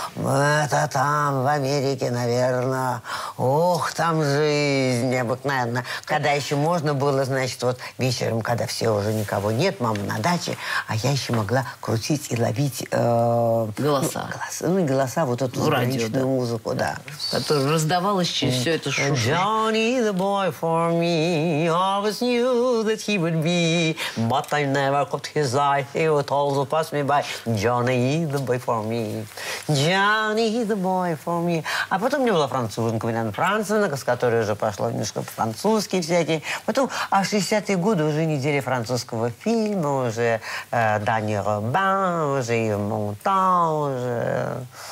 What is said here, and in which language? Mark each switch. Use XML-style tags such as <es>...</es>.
<ru>Это там, в Америке, наверное. Ох, там жизнь необыкновенная. Когда еще можно было, значит, вот вечером, когда все уже никого нет, мама на даче, а я еще могла крутить и ловить... голоса. Ну, голоса. Ну, голоса, вот эту радио, да. Музыку, да. Которая раздавалась через все это шушу.</ru> <en>Johnny, the boy for me, always knew that he would be, but I never caught his eye, he would also pass me by. Johnny, the boy for me. Johnny, the boy for me.</en> <ru>А потом мне была француженка, Вильян Францевна, с которой уже пошло немножко по-французски всякие. Потом, а в 60-е годы уже неделя французского фильма, уже Дани Робан, уже Ив Монтан, уже...</ru>